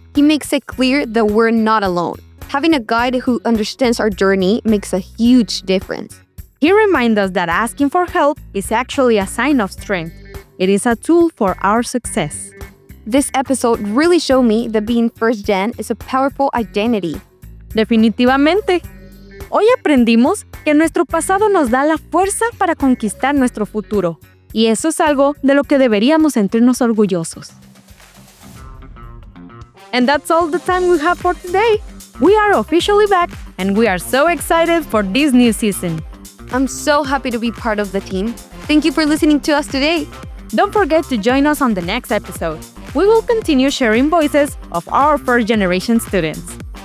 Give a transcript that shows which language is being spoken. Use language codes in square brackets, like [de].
[en] He makes it clear that we're not alone. Having a guide who understands our journey makes a huge difference. He reminds us that asking for help is actually a sign of strength. It is a tool for our success. This episode really showed me that being first gen is a powerful identity. [es] Definitivamente. Hoy aprendimos que nuestro pasado nos da la fuerza para conquistar nuestro futuro. Y eso es algo de lo que deberíamos sentirnos orgullosos. [en] And that's all the time we have for today. We are officially back, and we are so excited for this new season. I'm so happy to be part of the team. Thank you for listening to us today. Don't forget to join us on the next episode. We will continue sharing voices of our first-generation students.